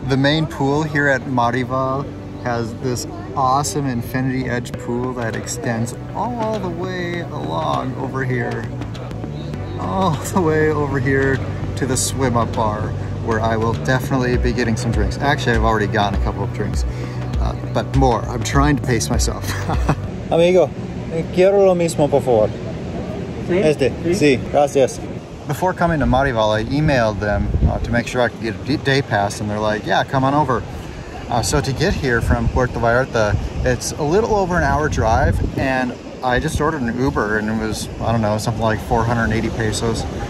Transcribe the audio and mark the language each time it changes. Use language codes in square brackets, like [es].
[en] The main pool here at Mariva has this awesome infinity edge pool that extends all the way along over here. All the way over here to the swim up bar, where I will definitely be getting some drinks. Actually, I've already gotten a couple of drinks, but more. I'm trying to pace myself. [es] Amigo, quiero lo mismo, por favor. Este, sí, gracias. [en] Before coming to Mariva, I emailed them to make sure I could get a day pass, and they're like, yeah, come on over. So to get here from Puerto Vallarta, it's a little over an hour drive, and I just ordered an Uber, and it was, I don't know, something like 480 pesos.